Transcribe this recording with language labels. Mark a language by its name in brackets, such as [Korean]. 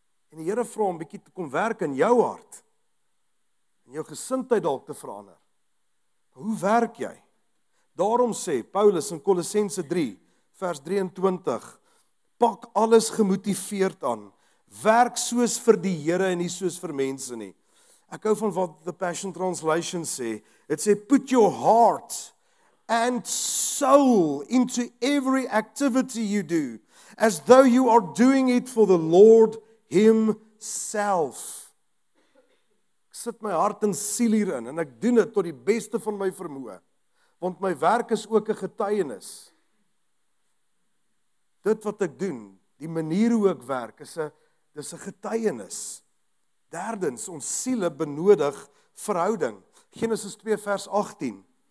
[Afrikaans] En die Here vra om 'n bietjie te kom werk in jou hart. En jou gesindheid dalk te verander. Hoe werk jy? Daarom sê Paulus in Kolossense 3 vers 23, pak alles gemotiveerd aan, werk soos vir die Here en nie soos vir mense nie. Ek hou van wat [English] the Passion Translation sê, it sê, put your heart and soul into every activity you do, as though you are doing it for the Lord himself. [Afrikaans] Ek sit my hart en siel hierin, en ek doen dit tot die beste van my vermoë, want my werk is ook 'n getuienis. Dit wat ek doen, die manier hoe ek werk, is 'n getuienis. Derdens, ons siele benodig verhouding. Genesis 2 vers 18.